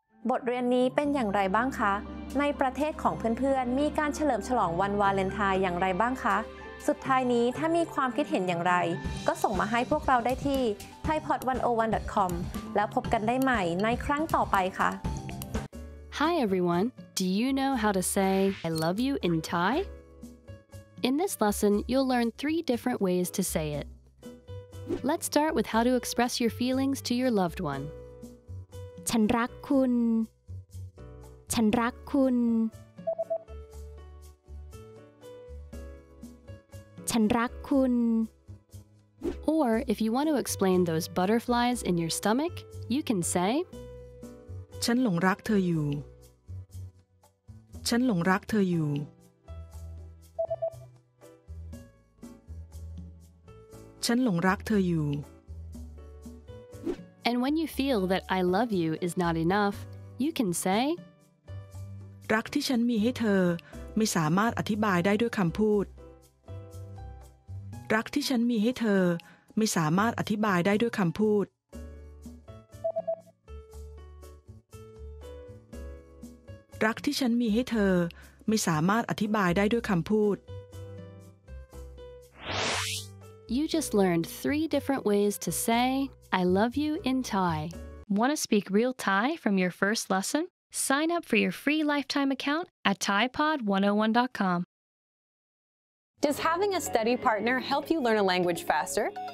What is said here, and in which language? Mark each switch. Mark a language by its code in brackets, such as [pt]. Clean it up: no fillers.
[th] บทเรียนนี้เป็นอย่างไรบ้างคะในประเทศของเพื่อนๆมีการเฉลิมฉลองวันวาเลนไทน์อย่างไรบ้างคะสุดท้ายนี้ถ้ามีความคิดเห็นอย่างไรก็ส่งมาให้พวกเราได้ที่ thaipod101.com แล้วพบกันได้ใหม่ในครั้งต่อไปคะ [en] Hi everyone, do you know how to say I love you in Thai? In this lesson, you'll learn three different ways to say it. Let's start with how to express your feelings to your loved one. [th] ฉันรักคุณ ฉันรักคุณ ฉันรักคุณ [en] Or if you want to explain those butterflies in your stomach, you can say [th] ฉันหลงรักเธออยู่ ฉันหลงรักเธออยู่ฉันหลงรักเธออยู่ [en] And when you feel that I love you is not enough, you can say [th] รักที่ฉันมีให้เธอไม่สามารถอธิบายได้ด้วยคำพูดรักที่ฉันมีให้เธอไม่สามารถอธิบายได้ด้วยคำพูดรักที่ฉันมีให้เธอไม่สามารถอธิบายได้ด้วยคำพูด [en] You just learned three different ways to say, I love you in Thai. Want to speak real Thai from your first lesson? Sign up for your free lifetime account at ThaiPod101.com. Does having a study partner help you learn a language faster?